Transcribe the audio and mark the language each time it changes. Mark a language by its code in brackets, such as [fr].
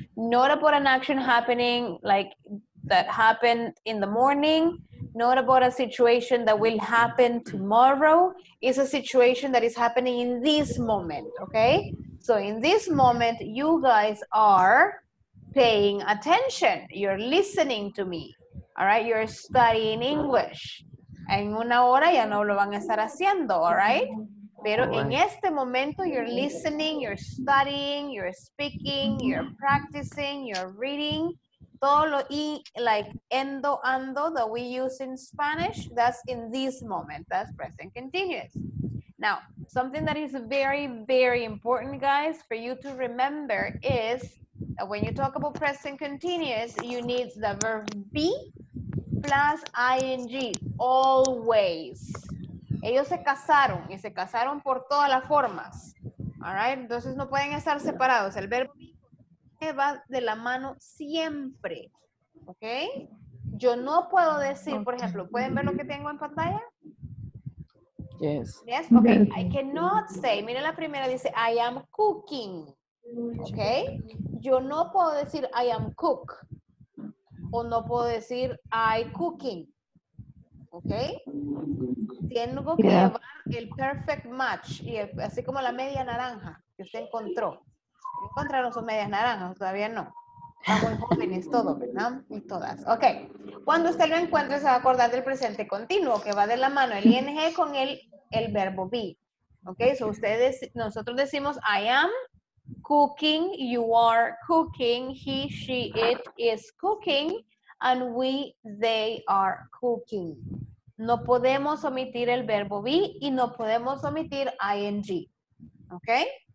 [en] Not about an action happening like that happened in the morning, not about a situation that will happen tomorrow. It's a situation that is happening in this moment, okay? So in this moment, you guys are paying attention. You're listening to me. All right, you're studying English. [es] En una hora ya no lo van a estar haciendo, [en] all right? [es] Pero en este momento, [en] you're listening, you're studying, you're speaking, you're practicing, you're reading. [es] Todo lo y, [en] like, endo, ando that we use in Spanish, that's in this moment, that's present continuous. Now, something that is very, very important, guys, for you to remember is when you talk about present continuous, you need the verb be plus ing, always. [es] Ellos se casaron y se casaron por todas las formas. [en] All right? [es] Entonces no pueden estar separados. El verbo be va de la mano siempre. Okay? Yo no puedo decir, por ejemplo, ¿pueden ver lo que tengo en pantalla? [en] Yes. Yes? Okay. I cannot say, [es] miren la primera, dice, [en] I am cooking. Okay? [es] Yo no puedo decir [en] I am cook [es] o no puedo decir [en] I cooking. [es] Okay? Tengo que llevar el [en] perfect match [es] y el, así como la media naranja que usted encontró. ¿Encontraron sus medias naranjas? Todavía no. Estamos jóvenes todos, ¿verdad? Y todas. Okay. Cuando usted lo encuentre se va a acordar del presente continuo que va de la mano el ing con el verbo be. [en] Okay? So [es] ustedes, nosotros decimos [en] I am cooking, you are cooking, he, she, it is cooking, and we, they are cooking. [es] No podemos omitir el verbo be y no podemos omitir ing. Okay?